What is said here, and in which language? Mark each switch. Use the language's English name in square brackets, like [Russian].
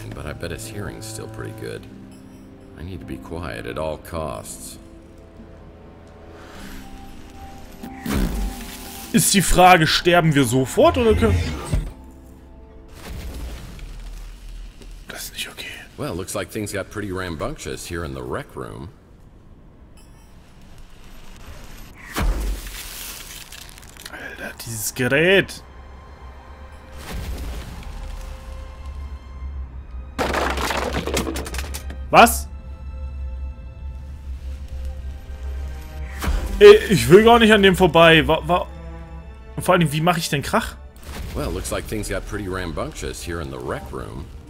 [English] I bet his hearing's still pretty good. I need to be quiet at all costs. [German] Ist die Frage, sterben wir sofort oder können... Das ist nicht okay. [English] Well, looks like things got pretty rambunctious here in the rec room. [German] Alter, dieses Gerät. Was? Ich will gar nicht an dem vorbei. Und vor allem, wie mache ich denn Krach? [English] Well, looks like things got pretty rambunctious here in the rec room.